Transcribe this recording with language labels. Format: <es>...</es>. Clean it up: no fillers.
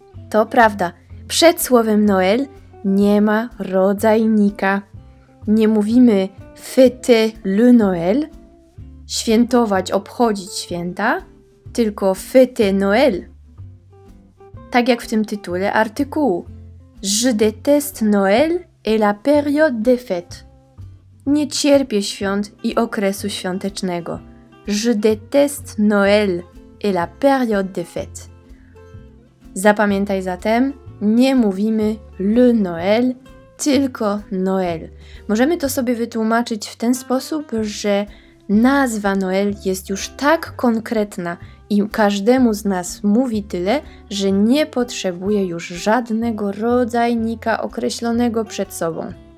<pl>To prawda, przed słowem Noël nie ma rodzajnika. Nie mówimy</pl> <fr>fêter le Noël,</fr> <pl>świętować, obchodzić święta, tylko</pl> <fr>fêter Noël.</fr> <pl>Tak jak w tym tytule artykułu.</pl> <fr>Je déteste Noël et la période des fêtes.</fr> <pl>Nie cierpię świąt i okresu świątecznego.</pl> <fr>Je déteste Noël et la période des fêtes.</fr> <pl>Zapamiętaj zatem, nie mówimy le Noël, tylko Noël. Możemy to sobie wytłumaczyć w ten sposób, że nazwa Noël jest już tak konkretna i każdemu z nas mówi tyle, że nie potrzebuje już żadnego rodzajnika określonego przed sobą.</pl>